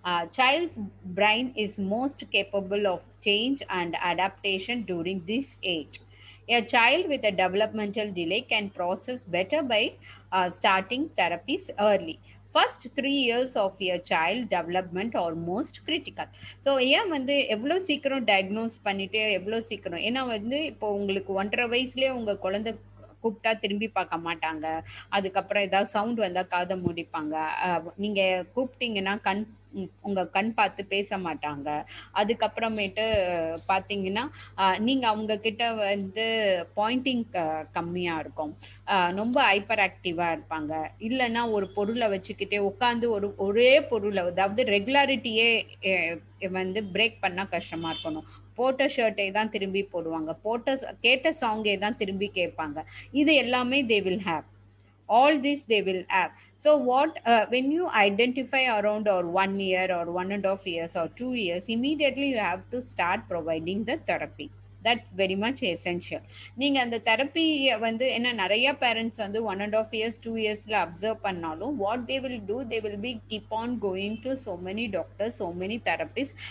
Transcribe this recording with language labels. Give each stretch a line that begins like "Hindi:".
English: Child's brain is most capable of change and adaptation during this age. A child with a developmental delay can process better by starting therapies early. First 3 years of your child development are most critical.
Tamil: So, ஏன் வந்து எவ்வளோ சீக்கிரம் diagnose பண்ணிட்டு எவ்வளோ சீக்கிரம் ஏன்னா வந்து இப்போ உங்களுக்கு 1.5 வயசுலேயே உங்கள் குழந்தை கூப்பிட்டா திரும்பி பார்க்க மாட்டாங்க. அதுக்கப்புறம் ஏதாவது சவுண்ட் வந்தால் காதை மூடிப்பாங்க. நீங்கள் கூப்பிட்டீங்கன்னா கண் உங்கள் கண் பார்த்து பேச மாட்டாங்க. அதுக்கப்புறமேட்டு பார்த்தீங்கன்னா நீங்கள் அவங்கக்கிட்ட வந்து பாயிண்டிங் கம்மியாக இருக்கும், ரொம்ப ஹைப்பர் ஆக்டிவாக இருப்பாங்க. இல்லைன்னா ஒரு பொருளை வச்சுக்கிட்டே உட்காந்து ஒரு ஒரே பொருளை, அதாவது ரெகுலாரிட்டியே வந்து பிரேக் பண்ணால் கஷ்டமாக இருக்கணும். போட்ட ஷர்ட்டை தான் திரும்பி போடுவாங்க, போட்ட கேட்ட சாங்கே தான் திரும்பி கேட்பாங்க. இது எல்லாமே
English: They will have, all this they will have. So what, when you identify around or 1 year or 1.5 years or 2 years, immediately you have to start providing the therapy. That's very much essential.
Tamil: நீங்கள் அந்த therapy வந்து என்ன நிறைய parents வந்து 1.5 years 2 இயர்ஸில் observe பண்ணாலும்
English: What they will do, they will be keep on going to so many doctors, so many therapist.